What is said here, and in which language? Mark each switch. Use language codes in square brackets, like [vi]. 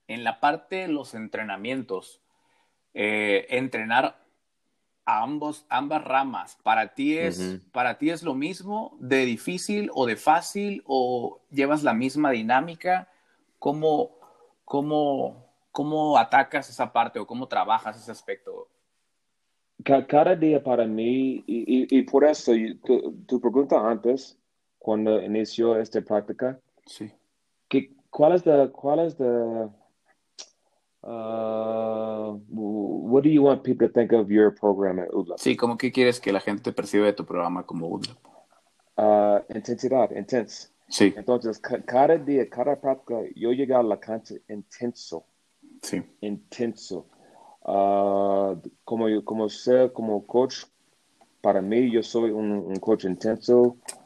[es] En la parte de los entrenamientos, entrenar a ambas ramas, para ti es lo mismo de difícil o de fácil o llevas la misma dinámica? ¿Cómo atacas esa parte o cómo trabajas ese aspecto? Cada día para mí, y por eso tu pregunta antes, cuando inició esta práctica, Sí. que, [en] what do you want people to think of your program at UDLAP? [es] Sí, ¿cómo que quieres que la gente te perciba de tu programa como UDLAP? Intensidad, [en] intense. [es] Sí. Entonces, cada día, cada práctica, yo llegué a la cancha intenso, intenso. Como sea, como coach, para mí yo soy un coach intenso.